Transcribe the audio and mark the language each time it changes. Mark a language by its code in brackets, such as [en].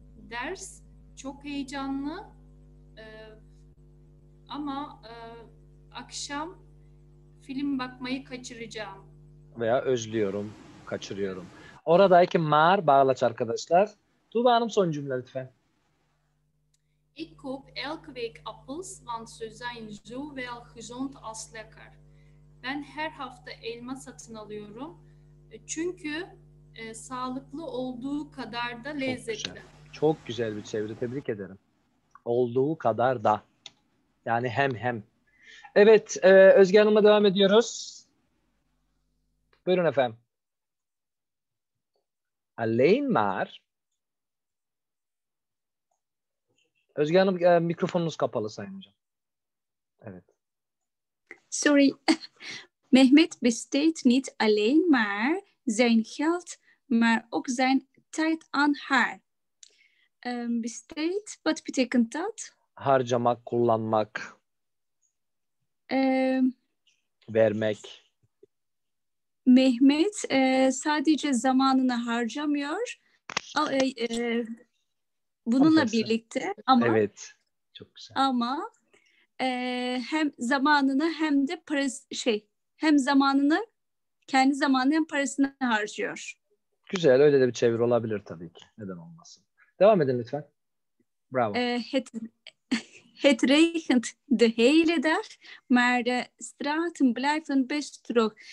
[tr] Ders çok heyecanlı ama akşam film bakmayı kaçıracağım. Veya özlüyorum, kaçırıyorum. Oradaki maar bağlaç arkadaşlar. Tuğba Hanım son cümle lütfen. [nl] Ik koop elke week appels, want ze zijn zo wel gezond als lekker. [tr] Ben her hafta elma satın alıyorum. Çünkü sağlıklı olduğu kadar da lezzetli. Çok güzel. Çok güzel bir çeviri. Tebrik ederim. Olduğu kadar da. Yani hem. Evet, Özge Hanım'a devam ediyoruz. Buyurun efendim. [nl] Alleen maar. [tr] Özge Hanım, mikrofonunuz kapalı Sayın Hocam. Evet. [en] Sorry. [nl] Mehmet besteedt niet alleen maar zijn geld, maar ook zijn tijd aan haar. Besteedt, wat betekent dat? [tr] Harcamak, kullanmak. Vermek. Mehmet sadece zamanını harcamıyor. Bununla birlikte ama evet. Çok güzel. Ama hem zamanını hem de parası hem zamanını kendi zamanını hem parasını harcıyor. Güzel, öyle de bir çevir olabilir tabii ki. Neden olmasın? Devam edin lütfen. Bravo. [nl] Het regent de hele dag, maar de straten blijven best droog.